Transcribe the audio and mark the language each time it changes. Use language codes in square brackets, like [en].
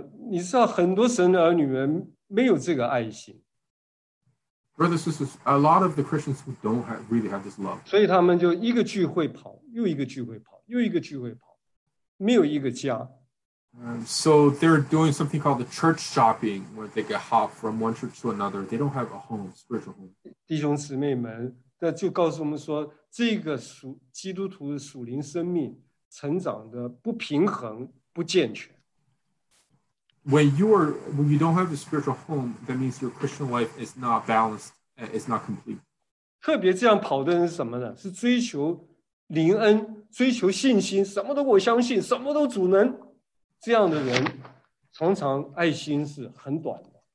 [zh] 你知道很多神的儿女们没有这个爱心。 [en] Brothers and sisters, a lot of the Christians who don't really have this love. [zh] 所以他们就一个聚会跑，又一个聚会跑，又一个聚会跑，没有一个家。 [en] So they're doing something called the church shopping, where they get hop from one church to another. They don't have a home, spiritual home. [zh] 弟兄姊妹们，那就告诉我们说，这个基督徒的属灵生命成长的不平衡、不健全。 [en] When you don't have a spiritual home, that means your Christian life is not balanced, it's not complete. [zh] 特别这样跑的人是什么呢？是追求灵恩，追求信心，什么都我相信，什么都主能。这样的人，常常爱心是很短的。